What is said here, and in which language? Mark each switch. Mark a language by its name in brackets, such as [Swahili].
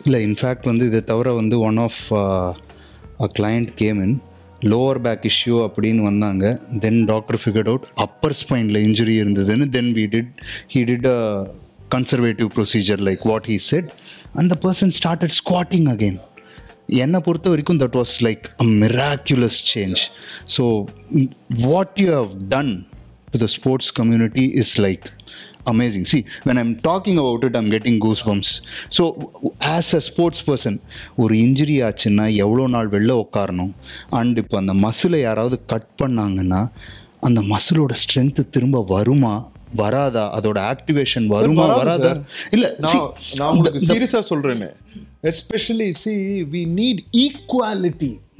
[English] இல்லை, இன்ஃபேக்ட் [Tamil] வந்து இதை தவிர வந்து [English] one of a client came in lower back issue [Tamil] அப்படின்னு வந்தாங்க, [English] then doctor figured out upper ஸ்பைனில் injury [Tamil] இருந்ததுன்னு, [English] Then he did a conservative procedure like what he said, and the person started squatting again. [Tamil] என்னை பொறுத்த வரைக்கும் [English] That was like a miraculous change. So what you have done to the sports community is like amazing. See, when I'm talking about it, I'm getting goosebumps. So, as a sports person, [Tamil] ஒரு injury ஆச்சுன்னா எவ்வளோ நாள் வெளில உட்காரணும், and இப்போ அந்த மசிலை யாராவது cut பண்ணாங்கன்னா அந்த மசிலோட ஸ்ட்ரென்த் திரும்ப வருமா வராதா, அதோட ஆக்டிவேஷன் வருமா வராதா? இல்லை, நான் உங்களுக்கு சீரியஸாக சொல்கிறேன்னு, [English] Especially see we need equality.